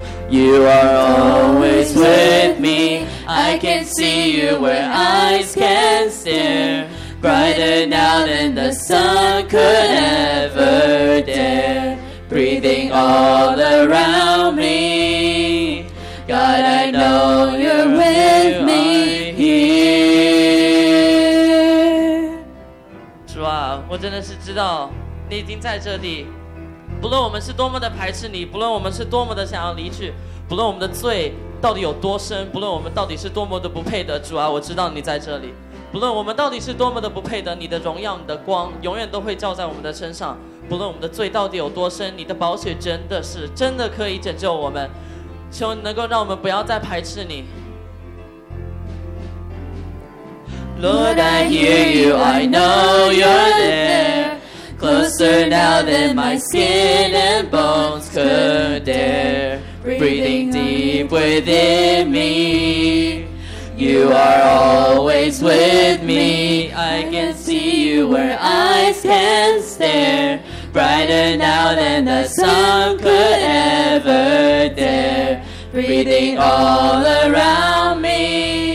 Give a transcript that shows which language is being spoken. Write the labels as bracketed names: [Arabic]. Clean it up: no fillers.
[English] You are always with me, I can see you where eyes can stare, brighter now than the sun could ever dare, breathing all around me. God, I know you're with me here. [Chinese] 主啊，我真的是知道你已经在这里。不论我们是多么的排斥你，不论我们是多么的想要离去，不论我们的罪到底有多深，不论我们到底是多么的不配得，主啊，我知道你在这里。不论我们到底是多么的不配得，你的荣耀、你的光永远都会照在我们的身上。不论我们的罪到底有多深，你的宝血真的是真的可以拯救我们。求你能够让我们不要再排斥你。 [English] Lord, I hear you, I know you're there, closer now than my skin and bones could dare, breathing deep within me. You are always with me, I can see you where eyes can stare, brighter now than the sun could ever dare, breathing all around me.